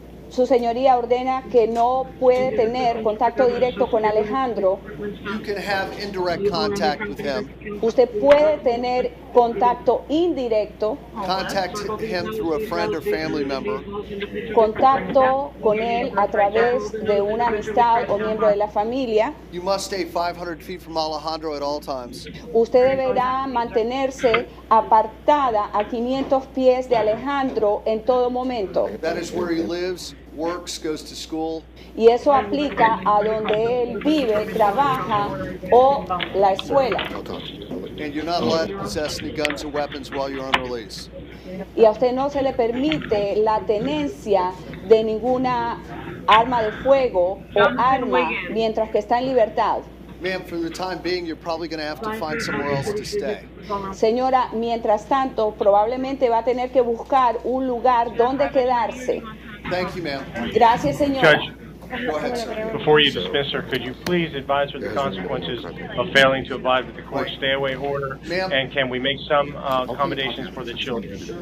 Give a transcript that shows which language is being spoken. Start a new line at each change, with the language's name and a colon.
Spanish: Su señoría ordena que no puede tener contacto directo con Alejandro.
English: You can have indirect contact with him.
Spanish: Usted puede tener contacto indirecto.
English: Contact him through a friend or family member.
Spanish: Contacto con él a través de una amistad o miembro de la familia.
English: You must stay 500 feet from Alejandro at all times.
Spanish: Usted deberá mantenerse apartada a 500 pies de Alejandro en todo momento.
English: That is where he lives. Works, goes to school.
Spanish: Y eso aplica a donde él vive, trabaja o la escuela.
English: And you're not allowed to possess any guns or weapons while you're on release.
Spanish: Y a usted no se le permite la tenencia de ninguna arma de fuego o arma mientras que está en libertad.
English: Ma'am, for the time being, you're probably going to have to find somewhere else to stay.
Spanish: Señora, mientras tanto, probablemente va a tener que buscar un lugar donde quedarse.
English: Thank you, ma'am.
Spanish: Gracias, señora.
English: Judge, before you dismiss her, could you please advise her the consequences of failing to abide with the court stay away order? Ma'am. And can we make some accommodations for the children?